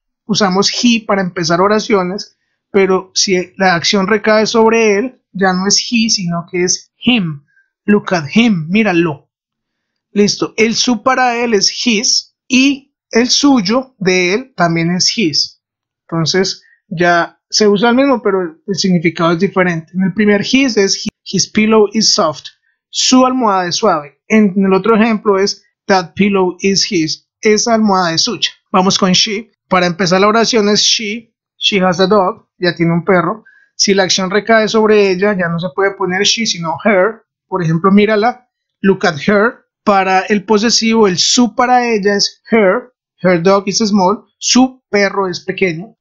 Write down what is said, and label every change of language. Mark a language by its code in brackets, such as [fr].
[es] usamos he para empezar oraciones, pero si la acción recae sobre él, ya no es he, sino que es him. [en] Look at him, [es] míralo. Listo, el su para él es his y el suyo de él también es his. Entonces, ya se usa el mismo, pero el significado es diferente. En el primer his es [en] his pillow is soft, [es] su almohada es suave. En el otro ejemplo es [en] that pillow is his, [es] esa almohada es suya. Vamos con she. Para empezar la oración es [en] she has a dog, [es] ya tiene un perro. Si la acción recae sobre ella, ya no se puede poner she, sino her. Por ejemplo, mírala, [en] look at her. [es] Para el posesivo, el su para ella es her, [en] her dog is small, [es] su perro es pequeño.